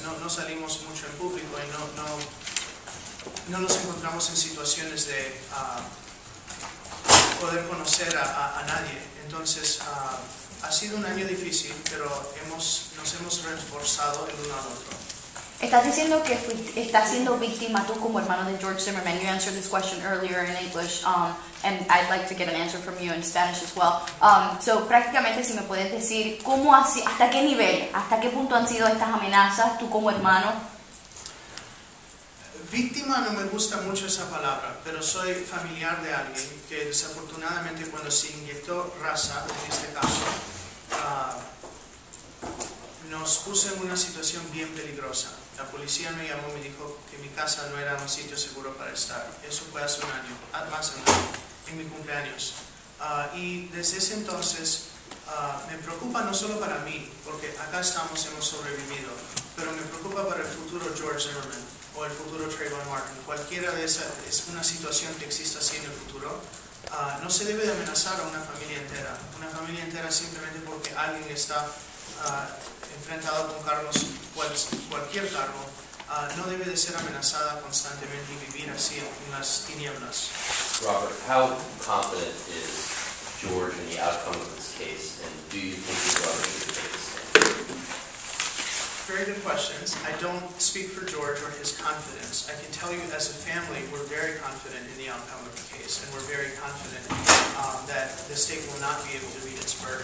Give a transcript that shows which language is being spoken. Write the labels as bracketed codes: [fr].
[es] No salimos mucho en público y no nos encontramos en situaciones de poder conocer a nadie. Entonces, ha sido un año difícil, pero nos hemos reforzado el uno al otro. Estás diciendo que estás siendo víctima tú como hermano de George Zimmerman. [en] You answered this question earlier in English, and I'd like to get an answer from you in Spanish as well. [es] So, prácticamente, si me puedes decir, ¿hasta qué nivel, hasta qué punto han sido estas amenazas tú como hermano? Víctima no me gusta mucho esa palabra, pero soy familiar de alguien que desafortunadamente cuando se inyectó raza, en este caso, nos puso en una situación bien peligrosa. La policía me llamó y me dijo que mi casa no era un sitio seguro para estar. Eso fue hace un año, más o menos, en mi cumpleaños. Y desde ese entonces me preocupa no solo para mí, porque acá estamos, hemos sobrevivido, pero me preocupa para el futuro George Zimmerman o el futuro Trayvon Martin. Cualquiera de esas es una situación que exista así en el futuro. No se debe de amenazar a una familia entera. Una familia entera simplemente porque alguien está enfrentado con cargos, cualquier cargo, no debe de ser amenazada constantemente y vivir así en las tinieblas. [en] Robert, how confident is George in the outcome of this case, and do you think he's going to take the stand? Very good questions. I don't speak for George or his confidence. I can tell you as a family, we're very confident in the outcome of the case, and we're very confident that the state will not be able to meet its burden.